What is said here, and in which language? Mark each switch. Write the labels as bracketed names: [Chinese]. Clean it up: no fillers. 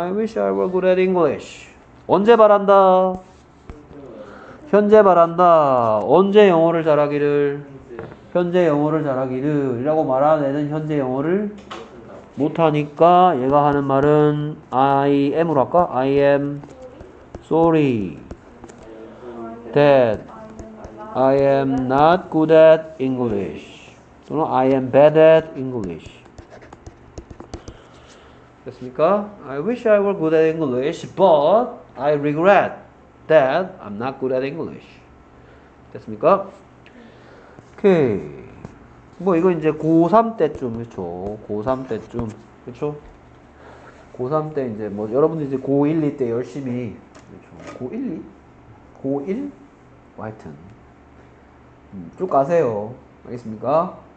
[English] I wish I were good at English. [Korean] 언제 바란다? 현재 바란다. 언제 영어를 잘하기를? 현재 영어를 잘하기를. 이라고 말하는 애는 현재 영어를 못하니까 얘가 하는 말은 [English] I am [Korean] 으로 할까? [English] I am sorry that I am not good at English. 또는 I am bad at English. [Korean] 됐습니까? [English] I wish I were good at English, but I regret that I'm not good at English. [Korean] 됐습니까? 오케이. 뭐 이거 이제 고3 때쯤 그렇죠? 고3 때쯤 그렇죠? 고3 때 이제 뭐 여러분들 이제 고1, 2 때 열심히 그렇죠? 고1, 2? 고1? 하여튼 쭉 가세요. 알겠습니까?